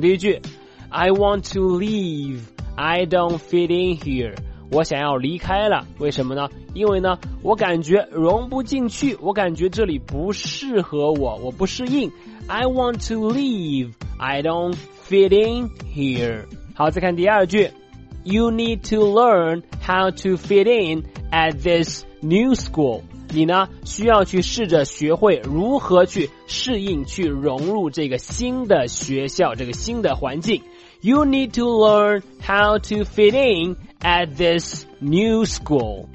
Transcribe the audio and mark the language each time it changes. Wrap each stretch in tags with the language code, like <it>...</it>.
<zh>第一句，</zh> <en>I want to leave, I don't fit in here。</en> <zh>我想要离开了，为什么呢？因为呢我感觉融不进去，我感觉这里不适合我，我不适应。</zh> <en>I want to leave, I don't fit in here。</en> <zh>好，再看第二句，</zh> <en>You need to learn how to fit in at this new school。</en> <zh>你呢需要去试着学会如何去适应，去融入这个新的学校，这个新的环境。</zh> <en>You need to learn how to fit in at this new school。</en>